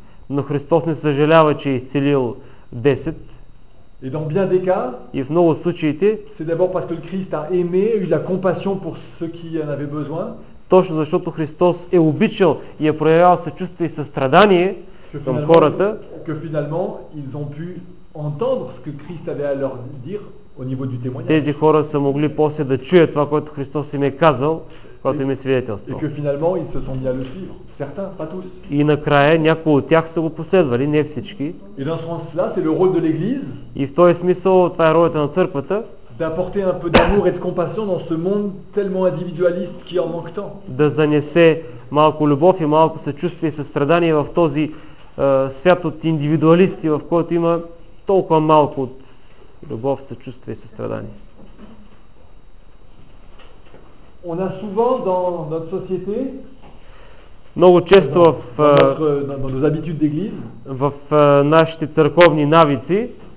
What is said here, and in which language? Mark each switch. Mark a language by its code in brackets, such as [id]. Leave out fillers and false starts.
[bg] Но Христос не съжалява, че е изцелил 10. [fr] Et dans bien des cas, [bg] и в много случаите, [fr] c'est d'abord parce que le Christ a aimé, eu la compassion pour ceux qui en avaient besoin. [bg] Точно защото Христос е обичал и е проявявал съчувствие и състрадание към хората, [fr] que finalement ils ont pu entendre ce que Christ avait à leur dire. [bg] Тези хора са могли после да чуят това, което Христос им е казал, което им е свидетелство. [fr] И que finalement ils se sont mis à le suivre. Certains, pas tous. [bg] И накрая някои от тях са го последвали, не всички. [fr] Et dans ce sens-là, c'est le rôle de l'église. [bg] И в този смисъл това е ролята на църквата. [fr] D'apporter un peu d'amour et de compassion dans ce monde tellement individualiste qui en manque tant. [bg] Да занесе малко любов и малко съчувствие и състрадание в този свят от индивидуалисти, в който има толкова малко от любов, съчувствие и състрадание. [fr] On a souvent dans notre société, [bg] много често [fr] dans nos habitudes d'église, [bg] в нашите църковни навици,